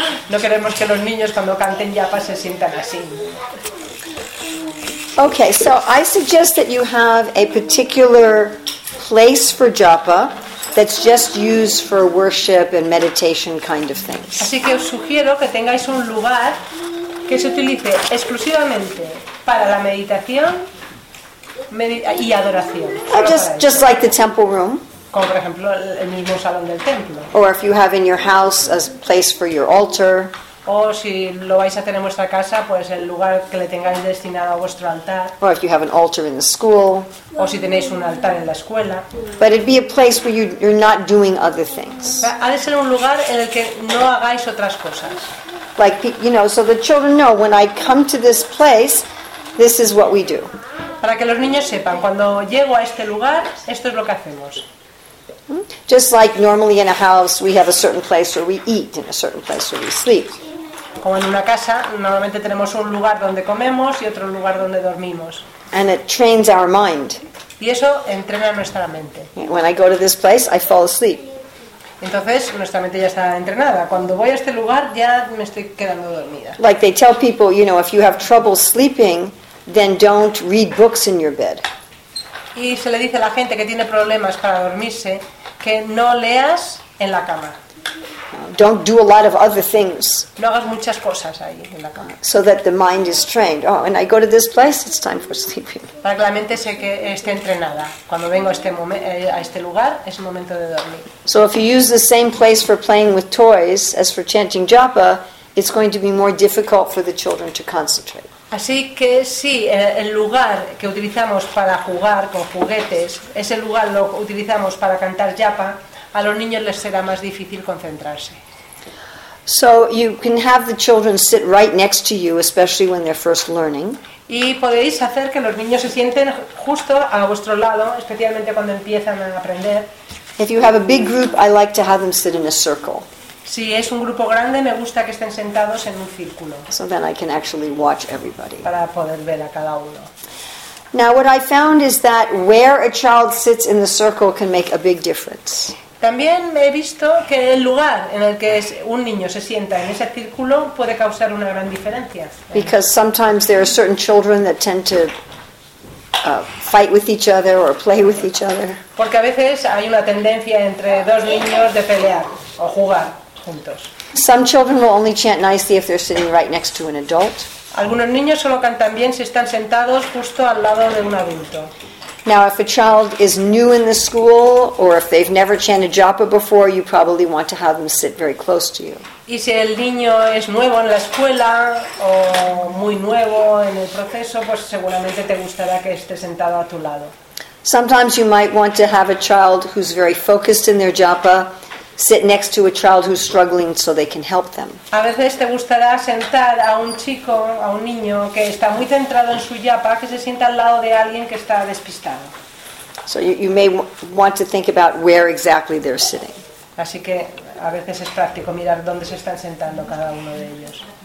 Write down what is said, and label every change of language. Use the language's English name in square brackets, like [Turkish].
[Spanish] No queremos que los niños cuando canten japa se sientan así. [English] Okay, so I suggest that you have a particular place for japa. That's just used for worship and meditation kind of things. [Spanish] Así que os sugiero que tengáis un lugar que se utilice exclusivamente para la meditación y adoración. [English] Just like the temple room. [Spanish] Como por ejemplo el mismo salón del templo. [English] Or if you have in your house a place for your altar. [Spanish] O si lo vais a tener en vuestra casa, pues el lugar que le tengáis destinado a vuestro altar. [English] Or if you have an altar in the school. [Spanish] O si tenéis un altar en la escuela. [English] But it'd be a place where you're not doing other things. [Spanish] Ha de ser un lugar en el que no hagáis otras cosas. [English] Like, you know, so the children know, when I come to this place, this is what we do. [Spanish] Para que los niños sepan, cuando llego a este lugar, esto es lo que hacemos. [English] Just like normally in a house, we have a certain place where we eat and a certain place where we sleep. [Spanish] Como en una casa, normalmente tenemos un lugar donde comemos y otro lugar donde dormimos. [English] And it trains our mind. [Spanish] Y eso entrena nuestra mente. [English] When I go to this place, I fall asleep. [Spanish] Entonces, nuestra mente ya está entrenada. Cuando voy a este lugar, ya me estoy quedando dormida. [English] Like they tell people, you know, if you have trouble sleeping, then don't read books in your bed. [Spanish] Y se le dice a la gente que tiene problemas para dormirse que no leas en la cama. [English] Don't do a lot of other things. [Spanish] No hagas muchas cosas ahí en la cama. [English] So that the mind is trained. Oh, and I go to this place, it's time for sleeping. [Spanish] Para que la mente se esté entrenada. Cuando vengo a este lugar, es el momento de dormir. [English] So if you use the same place for playing with toys as for chanting japa, it's going to be more difficult for the children to concentrate. [Spanish] Así que sí, el lugar que utilizamos para jugar con juguetes, ese lugar lo utilizamos para cantar japa, a los niños les será más difícil concentrarse. [English] So you can have the children sit right next to you, especially when they're first learning. [Spanish] Y podéis hacer que los niños se sienten justo a vuestro lado, especialmente cuando empiezan a aprender. [English] If you have a big group, I like to have them sit in a circle. [Spanish] Si es un grupo grande, me gusta que estén sentados en un círculo. [English] So then I can actually watch everybody. [Spanish] Para poder ver a cada uno. [English] Now what I found is that where a child sits in the circle can make a big difference. [Spanish] También he visto que el lugar en el que un niño se sienta en ese círculo puede causar una gran diferencia. [English] Because sometimes there are certain children that tend to fight with each other or play with each other. [Spanish] Porque a veces hay una tendencia entre dos niños de pelear o jugar. juntos. [English] Some children will only chant nicely if they're sitting right next to an adult. [Spanish] Algunos niños solo cantan bien si están sentados justo al lado de un adulto. [English] Now, if a child is new in the school or if they've never chanted japa before, you probably want to have them sit very close to you. [Spanish] Y si el niño es nuevo en la escuela o muy nuevo en el proceso, pues seguramente te gustará que esté sentado a tu lado. [English] Sometimes you might want to have a child who's very focused in their japa sit next to a child who's struggling so they can help them. [Spanish] A veces te gustará sentar a un chico, a un niño que está muy centrado en su japa, que se sienta al lado de alguien que está despistado. [English] So you may want to think about where exactly they're sitting. [Spanish] Así que a veces es práctico mirar dónde se están sentando cada uno de ellos.